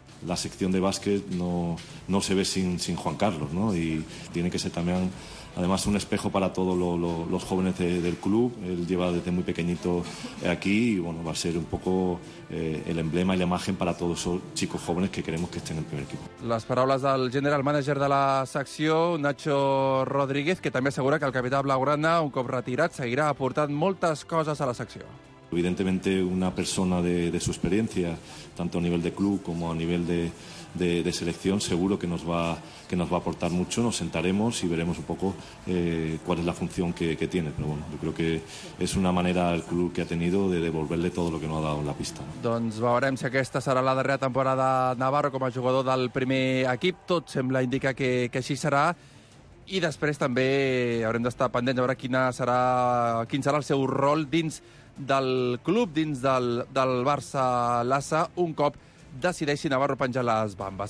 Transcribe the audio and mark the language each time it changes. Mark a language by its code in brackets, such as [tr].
[es] La sección de básquet no se ve sin Juan Carlos, ¿no? Y tiene que ser también, además, un espejo para todos los jóvenes del club. Él lleva desde muy pequeñito aquí y, bueno, va a ser un poco el emblema y la imagen para todos esos chicos jóvenes que queremos que estén en el primer equipo. [ca] Les paraules del general manager de la secció, Nacho Rodríguez, que també assegura que el capità blaugrana, un cop retirat, seguirà aportant moltes coses a la secció. [es] Evidentemente una persona de su experiencia, tanto a nivel de club como a nivel de selección, seguro que nos va a aportar mucho. Nos sentaremos y veremos un poco cuál es la función que tiene. Pero bueno, yo creo que es una manera el club que ha tenido de devolverle todo lo que no ha dado en la pista. [ca] Doncs veurem si aquesta serà la darrera temporada Navarro com a jugador del primer equip. Tot sembla indicar que així serà. I després també haurem d'estar pendents a veure quin serà el seu rol dins del club, dins del Barça Lassa, un cop decideixi Navarro penjar les bambes.